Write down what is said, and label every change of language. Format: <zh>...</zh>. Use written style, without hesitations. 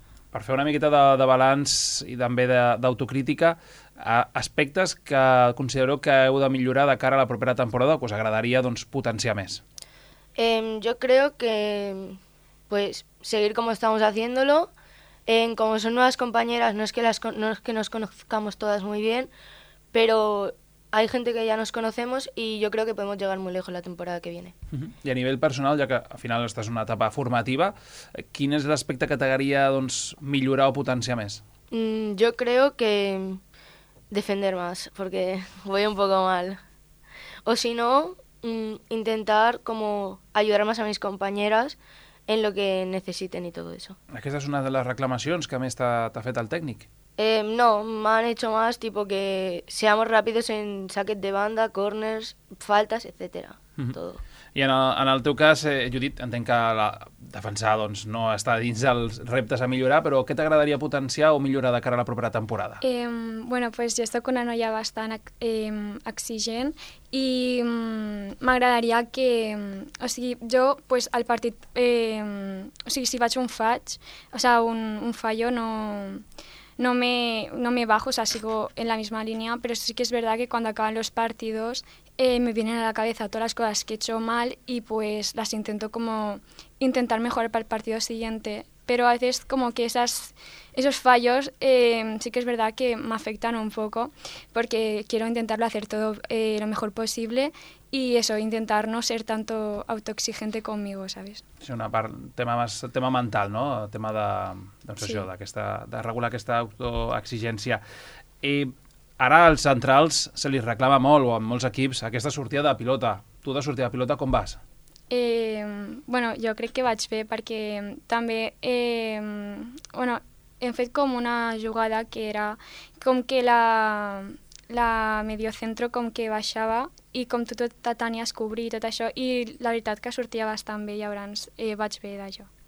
<ca>Per fer una miqueta de balanç i també d'autocrítica, aspectes que considero que heu de millorar de cara a la propera temporada o que us agradaria doncs, potenciar més? Jo crec que</ca> <es>pues seguir como estamos haciéndolo. Como son nuevas compañeras, no es que nos conozcamos todas muy bien, pero hay gente que ya nos conocemos y yo creo que podemos llegar muy lejos la temporada que viene. Y a nivel personal, ya que al final esta es una etapa formativa,</es> <ca>¿quin és l'aspecte que t'agradaria doncs millorar o potenciar més?</ca> <es>Yo creo que defender más, porque voy un poco mal. O si no, intentar como ayudar más a mis compañeras en lo que necesiten y todo eso.</es> <ca>¿Aquesta és una de les reclamacions que més t'ha fet el tècnic?</ca> <es>No, m'han hecho más, tipo que seamos rápidos en saques de banda, corners, faltas, etcétera, todo.</es> <ca>I en el teu cas, Judit, entenc que la defensar doncs, no està dins dels reptes a millorar, però què t'agradaria potenciar o millorar de cara a la propera temporada?</ca> <es>Bueno, pues yo estoy con una</es> <ca>noia bastant exigent i m'agradaria que... O sigui, jo, pues, al partit... o sigui, si faig un faig, o sea, un fallo, no...</ca> <es>No me bajo, o sea, sigo en la misma línea, pero sí que es verdad que cuando acaban los partidos me vienen a la cabeza todas las cosas que he hecho mal y pues las intento como intentar mejorar para el partido siguiente. Pero a veces como que esos fallos sí que es verdad que me afectan un poco porque quiero intentarlo hacer todo lo mejor posible y eso, intentar no ser tanto autoexigente conmigo, ¿sabes?</es> <ca>És una part, tema mental, no? Tema de, doncs, sí. Això, de regular aquesta autoexigència. I ara als centrals se li reclama molt, o en molts equips, aquesta sortida de pilota. Tu de sortida de pilota com vas? Bueno, jo crec que vaig bé perquè també bueno, hem fet com una jugada que era com que la mediocentro com que baixava i com tu te tenies cobrir i tot això i la veritat que sortia bastant bé i llavors vaig bé d'això.</ca>